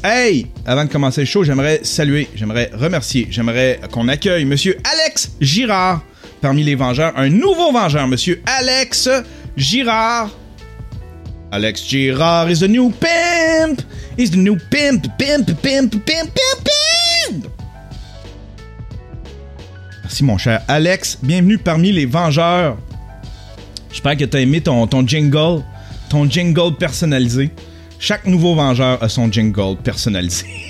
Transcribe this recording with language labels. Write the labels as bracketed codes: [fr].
[fr] Hey, avant de commencer le show, j'aimerais saluer, j'aimerais remercier, j'aimerais qu'on accueille Monsieur Alex Girard parmi les vengeurs. Un nouveau vengeur, Monsieur Alex Girard. [en] Alex Girard is the new pimp. He's the new pimp, pimp, pimp, pimp, pimp, pimp. [fr] Merci mon cher Alex, bienvenue parmi les vengeurs. J'espère que t'as aimé ton jingle personnalisé. Chaque nouveau vengeur a son jingle personnalisé.